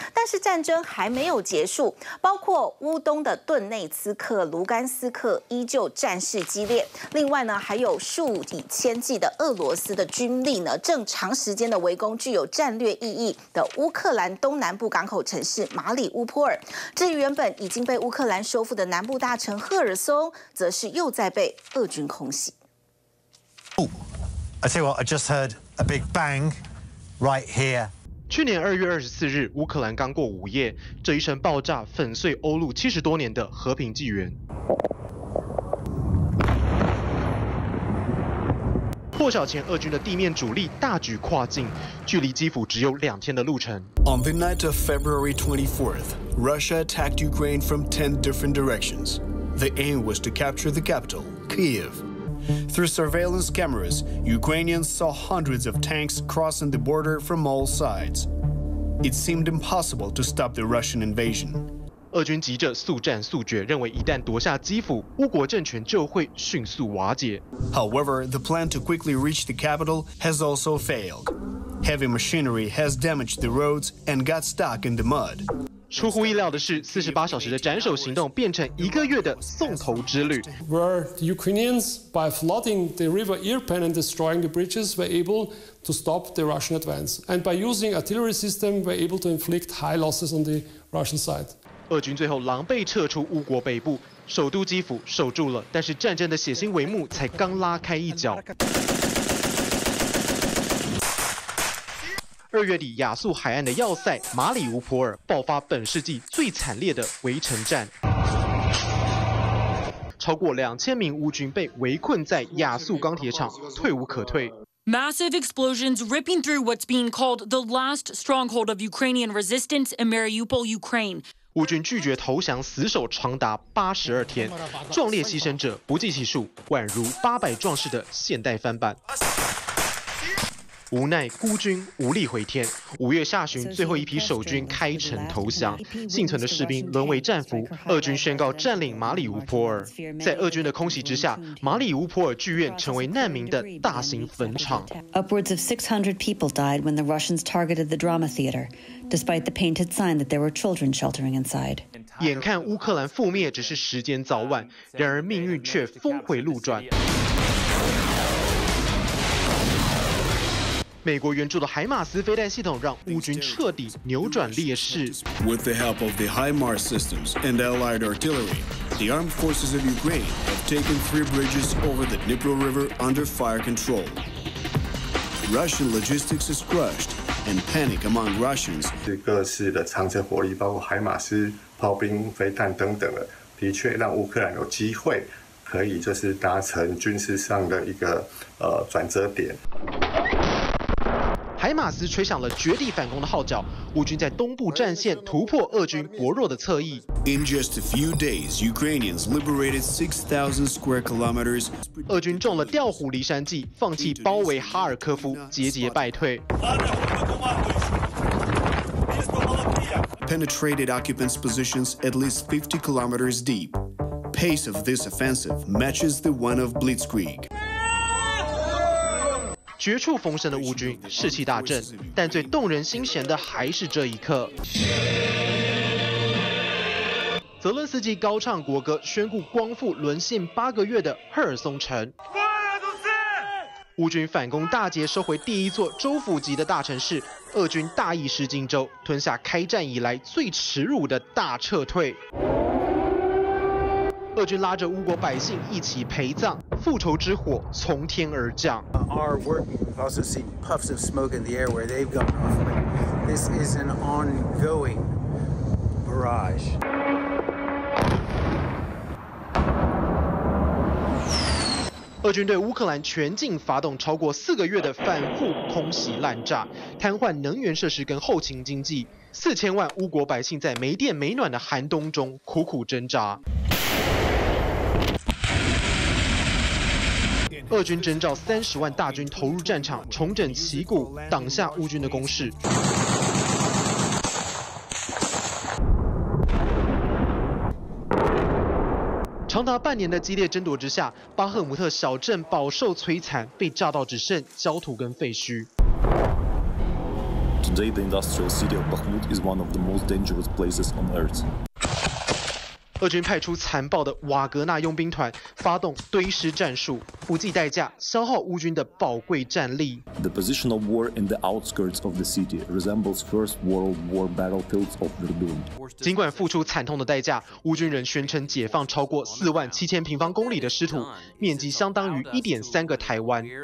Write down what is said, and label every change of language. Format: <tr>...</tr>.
<zh>但是战争还没有结束，包括乌东的顿内茨克、卢甘斯克依旧战事激烈，另外呢还有数以千计的俄罗斯的军力呢正长时间的围攻具有战略意义的乌克兰东南部港口城市马里乌波尔。至于原本已经被乌克兰收复的南部大城赫尔松，则是又在被俄军空袭。</zh> <en>I tell you what, I just heard a big bang right here.</en> <zh>去年2月24日，乌克兰刚过午夜，这一声爆炸粉碎欧陆70多年的和平纪元。破晓前，俄军的地面主力大举跨境，距离基辅只有2天的路程。</zh> <en>On the night of February 24th, Russia attacked Ukraine from 10 different directions. The aim was to capture the capital, Kyiv. Through surveillance cameras, Ukrainians saw hundreds of tanks crossing the border from all sides. It seemed impossible to stop the Russian invasion.</en> <zh>俄军急着速战速决，认为一旦夺下基辅，乌国政权就会迅速瓦解。</zh> <en>However, the plan to quickly reach the capital has also failed. Heavy machinery has damaged the roads and got stuck in the mud.</en> <zh>出乎意料的是，48小时的斩首行动变成1个月的送头之旅。</zh> <en>Where the Ukrainians, by flooding the river Irpin and destroying the bridges, were able to stop the Russian advance. And by using artillery system, were able to inflict high losses on the Russian side.</en> <zh>俄军最后狼狈撤出乌国北部，首都基辅守住了，但是战争的血腥帷幕才刚拉开一角。 2月底，亚速海岸的要塞马里乌波尔爆发本世纪最惨烈的围城战，超过2000名乌军被围困在亚速钢铁厂，退无可退。</zh> <en>Massive explosions ripping through what's being called the last stronghold of Ukrainian resistance in Mariupol, Ukraine.</en> <zh>乌军拒绝投降，死守长达82天，壮烈牺牲者不计其数，宛如800壮士的现代翻版。无奈孤军无力回天，5月下旬最后一批守军开城投降，幸存的士兵沦为战俘，俄军宣告占领马里乌波尔。在俄军的空袭之下，马里乌波尔剧院成为难民的大型坟场。</zh> <en>Upwards of 600 people died when the Russians targeted the drama theater, despite the painted sign that there were children sheltering inside.</en> <zh>眼看乌克兰覆灭只是时间早晚，然而命运却峰回路转。美国援助的海马斯飞弹系统让乌军彻底扭转劣势。</zh> <en>With the help of the HIMARS systems and allied artillery, the armed forces of Ukraine have taken 3 bridges over the Dnipro River under fire control. Russian logistics is crushed, and panic among Russians.</en> <zh>各式的长城火力，包括海马斯炮兵、飞弹等等的，的确让乌克兰有机会可以就是达成军事上的一个转折点。海马斯吹响了绝地反攻的号角，乌军在东部战线突破俄军薄弱的侧翼。</zh> <en>In just a few days, Ukrainians liberated 6,000 square kilometers.</en> <zh>俄军中了调虎离山计，放弃包围哈尔科夫，节节败退。</zh> <en>Penetrated occupants' positions at least 50 kilometers deep. Pace of this offensive matches the one of Blitzkrieg.</en> <zh>绝处逢生的乌军士气大振，但最动人心弦的还是这一刻。泽伦斯基高唱国歌，宣布光复沦陷8个月的赫尔松城。乌军反攻大捷，收回第一座州府级的大城市，俄军大意失荆州，吞下开战以来最耻辱的大撤退。俄军拉着乌国百姓一起陪葬，复仇之火从天而降。</zh> <en>Our workers also see puffs of smoke in the air where they've gone off. This is an ongoing barrage.</en> <zh>俄军对乌克兰全境发动超过四个月的反复空袭滥炸，瘫痪能源设施跟后勤经济，4000万乌国百姓在没电没暖的寒冬中苦苦挣扎。俄军征召300000大军投入战场，重整旗鼓，挡下乌军的攻势。长达半年的激烈争夺之下，巴赫姆特小镇饱受摧残，被炸到只剩焦土跟废墟。</zh> <en>Today, the industrial city of Bakhmut is one of the most dangerous places on earth.</en> <zh>俄军派出残暴的瓦格纳佣兵团，发动堆尸战术，不计代价消耗乌军的宝贵战力。</zh> <en>The position of war in the outskirts of the city resembles First World War battlefields of the Verdun.</en> <zh>尽管付出惨痛的代价，乌军人宣称解放超过47000平方公里的失土，面积相当于1.3个台湾。</zh>